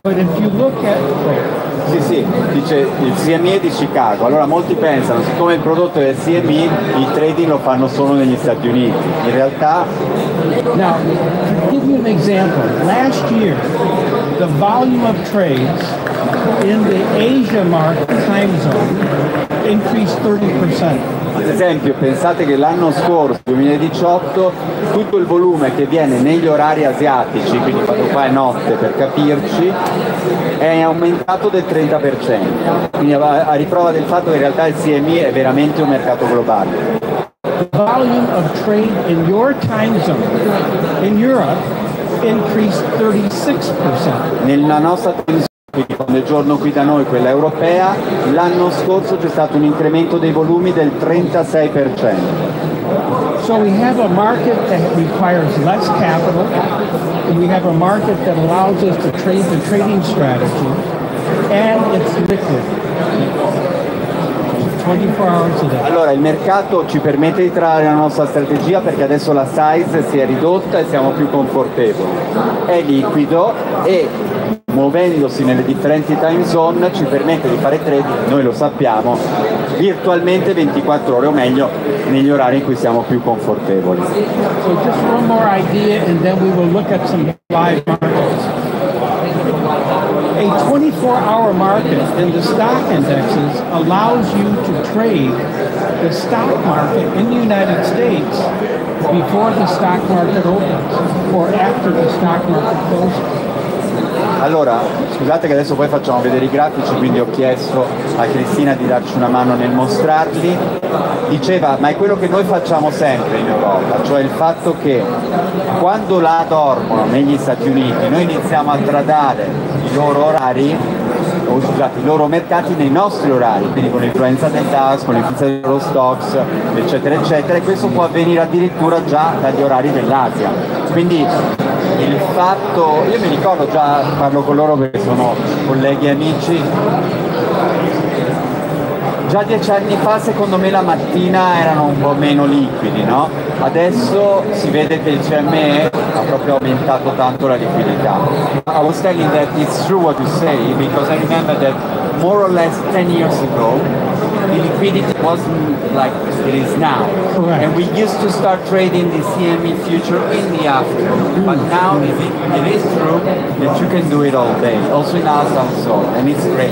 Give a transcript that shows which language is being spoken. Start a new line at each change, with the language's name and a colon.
English: But if you look at
Italian: Sì, sì, dice il CME di Chicago. Allora molti pensano, siccome il prodotto è del CME, il trading lo fanno solo negli Stati Uniti. In realtà...
English: Now, to give you an example, last year, the volume of trades in the Asia market time zone increased 30%.
Italian: Ad esempio, pensate che l'anno scorso, 2018, tutto il volume che viene negli orari asiatici, quindi quando qua è notte per capirci, è aumentato del 30%. Quindi a riprova del fatto che in realtà il CME è veramente un mercato globale.
English: The volume of trade in your time zone, in Europe, increased 36%.
Italian: Nella nostra time zone, quindi quando è giorno qui da noi, quella europea, l'anno scorso c'è stato un incremento dei volumi del 36%.
English: So we have a market that requires less capital, and we have a market that allows us to trade the trading strategy, and it's liquid. 24 hours a day.
Italian: Allora, il mercato ci permette di trarre la nostra strategia perché adesso la size si è ridotta e siamo più confortevoli. È liquido e muovendosi nelle differenti time zone ci permette di fare trading, noi lo sappiamo, virtualmente 24 ore, o meglio negli orari in cui siamo più confortevoli.
English: So just one more idea and then we will look at some live markets. A 24-hour market in the stock indexes allows you to trade the stock market in the United States before the stock market opens or after the stock market closes.
Italian: Allora, scusate che adesso poi facciamo vedere i grafici, quindi ho chiesto a Cristina di darci una mano nel mostrarli. Diceva, ma è quello che noi facciamo sempre in Europa, cioè il fatto che quando la dormono negli Stati Uniti, noi iniziamo a tradare i loro orari, o scusate, i loro mercati nei nostri orari, quindi con l'influenza del DAX, con l'influenza dello stocks, eccetera, eccetera, e questo può avvenire addirittura già dagli orari dell'Asia. Quindi il fatto, io mi ricordo già, parlo con loro che sono colleghi e amici, già 10 anni fa secondo me la mattina erano un po' meno liquidi, no? Adesso si vede che il CME ha proprio aumentato tanto la liquidità.
English: I was telling that it's true what you say, because I remember that more or less 10 years ago the liquidity wasn't like it is now. Correct. And we used to start trading the CME future in the afternoon, but now it is true that you can do it all day, also in us also, and it's great.